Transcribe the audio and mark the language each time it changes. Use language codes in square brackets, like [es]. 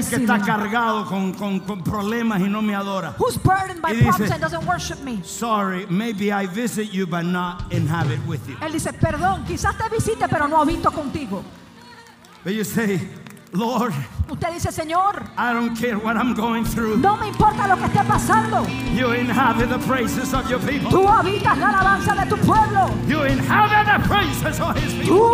[es] ¿Quién es el que está cargado con problemas y no me adora? [en] Who's burdened by problems and doesn't worship me? Sorry, maybe I visit you but not inhabit with you. [es] Él dice, perdón, quizás te visite pero no habito contigo. [en] But you say, Lord, [es] usted dice, Señor, [en] I don't care what I'm going through. [es] No me importa lo que esté pasando. [en] You inhabit the praises of your people. [es] Tú habitas la alabanza de tu pueblo. [en] You inhabit the praises of his people.